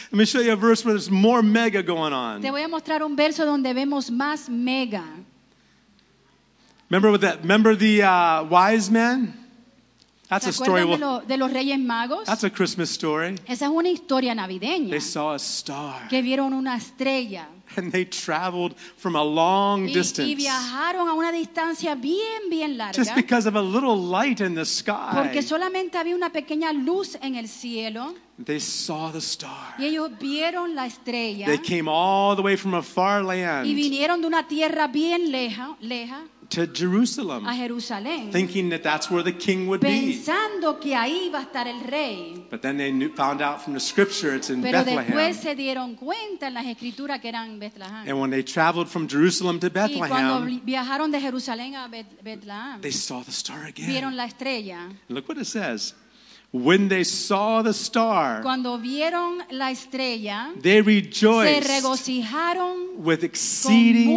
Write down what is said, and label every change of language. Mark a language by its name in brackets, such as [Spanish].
[English] Let me show you a verse where there's more mega going on. [Spanish] Te voy a mostrar un verso donde vemos más mega. [English] Remember with that? Remember the wise men? That's a story. [Spanish] De los Reyes Magos? [English] That's a Christmas story. [Spanish] Esa es una historia navideña. [English] They saw a star. [Spanish] Que vieron una estrella. [English] And they traveled from a long distance. [Spanish] Y viajaron a una distancia bien, bien larga. [English] Just because of a little light in the sky. [Spanish] Porque solamente había una pequeña luz en el cielo. [English] They saw the star. [Spanish] Y ellos vieron la estrella. [English] They came all the way from a far land. [Spanish] Y vinieron de una tierra bien leja. [English] To Jerusalem, [Spanish] a Jerusalén, [English] thinking that that's where the king would [Spanish] pensando [English] be. [Spanish] Que ahí iba a estar el rey. [English] But then they knew, found out from the scripture it's in [Spanish] pero [English] Bethlehem. [Spanish] Después se dieron cuenta en las escrituras que eran Bethlehem. [English] And when they traveled from Jerusalem to Bethlehem, [Spanish] y cuando viajaron de Jerusalén a Bethlehem, [English] they saw the star again. [Spanish] Vieron la estrella. [English] And look what it says. When they saw the star, [Spanish] cuando vieron la estrella, [English] they rejoiced, [Spanish] se regocijaron [English] with exceeding